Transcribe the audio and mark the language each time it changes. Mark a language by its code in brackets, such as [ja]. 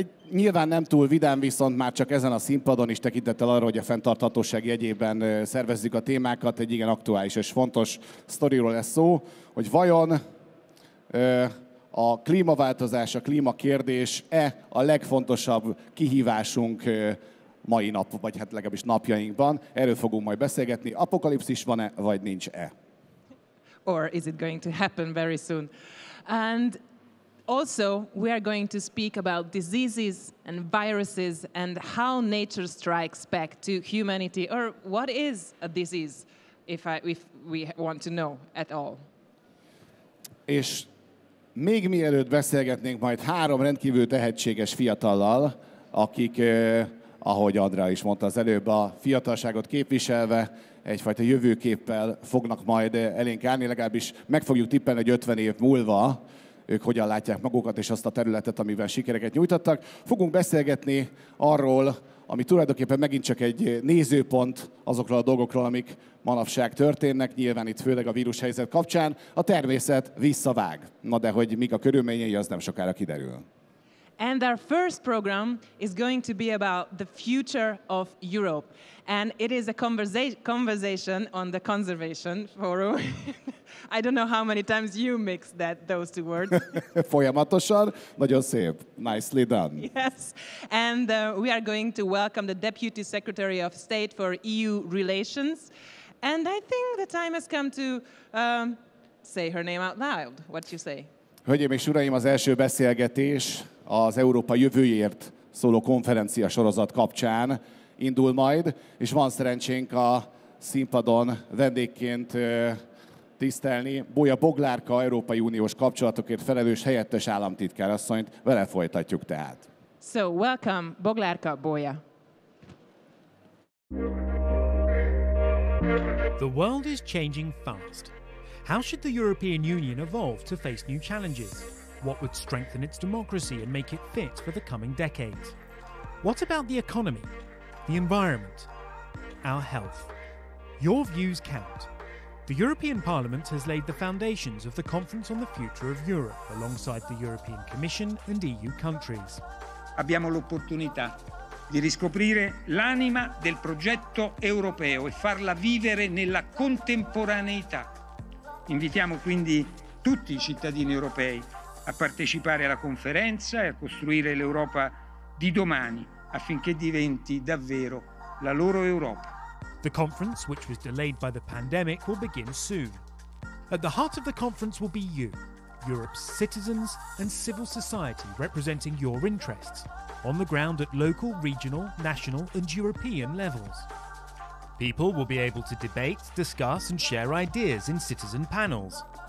[hu] nyilván nem túl vidám, viszont már csak ezen a színpadon is tekintettel arra, hogy a fenntarthatóság jegyében szervezzük a témákat, egy igen aktuális és fontos sztoriról lesz szó, hogy vajon a klímaváltozás, a klímakérdés-e a legfontosabb kihívásunk mai nap, vagy hát legalábbis napjainkban. Erről fogunk majd beszélgetni. Apokalipszis van-e, vagy nincs-e? [en] Or is it going to happen very soon? And... Also, we are going to speak about diseases and viruses and how nature strikes back to humanity, or what is a disease, if we want to know at all. [hu] És még mielőtt beszélgetnénk majd három rendkívül tehetséges fiatallal, akik, ahogy Andrea is mondta az előbb, a fiatalságot képviselve, egyfajta jövőképpel fognak majd elénk állni, legalábbis meg fogjuk tippelni, hogy 50 év múlva, ők hogyan látják magukat és azt a területet, amivel sikereket nyújtottak. Fogunk beszélgetni arról, ami tulajdonképpen megint csak egy nézőpont azokról a dolgokról, amik manapság történnek, nyilván itt főleg a vírushelyzet kapcsán. A természet visszavág. Na de hogy mik a körülményei, az nem sokára kiderül. [en] And our first program is going to be about the future of Europe. And it is a conversation on the conservation forum. I don't know how many times you mix those two words. [hu] Folyamatosan, nagyon szép. [en] Nicely done. Yes. And we are going to welcome the Deputy Secretary of State for EU Relations. And I think the time has come to say her name out loud. What do you say? [hu] Hölgyeim és uraim, az első beszélgetés az Európa jövőjéért szóló konferencia sorozat kapcsán indul majd, és van szerencsénk a színpadon vendégként tisztelni Bólya Boglárka, Európai Uniós kapcsolatokért felelős helyettes államtitkárasszonyt. Vele folytatjuk tehát. [en] So, welcome, Boglárka, Bólya. The world is changing fast. How should the European Union evolve to face new challenges? What would strengthen its democracy and make it fit for the coming decades? What about the economy, the environment, our health? Your views count. The European Parliament has laid the foundations of the Conference on the Future of Europe alongside the European Commission and EU countries. [it] Abbiamo l'opportunità di riscoprire l'anima del progetto europeo e farla vivere nella contemporaneità. Invitiamo quindi tutti i cittadini europei a partecipare alla conferenza e a costruire l'Europa di domani affinché diventi davvero la loro Europa. [en] The conference, which was delayed by the pandemic, will begin soon. At the heart of the conference will be you, Europe's citizens and civil society representing your interests, on the ground at local, regional, national and European levels. People will be able to debate, discuss and share ideas in citizen panels.